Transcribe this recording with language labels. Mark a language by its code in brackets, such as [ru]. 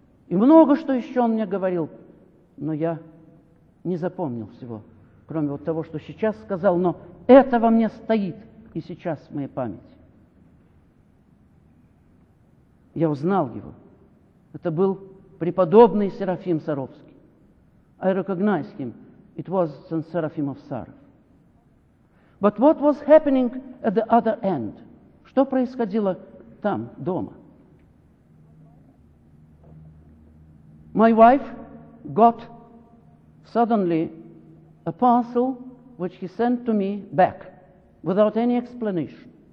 [ru] И много что еще он мне говорил, но я не запомнил всего, кроме вот того, что сейчас сказал, но это во мне стоит и сейчас в моей памяти. Я узнал его. Это был преподобный Серафим Саровский. [en] I recognized him. It was Saint Seraphim of Sarov. But what was happening at the other end? [ru] Что происходило там, дома? [en] My wife got suddenly a parcel which he sent to me back without any explanation.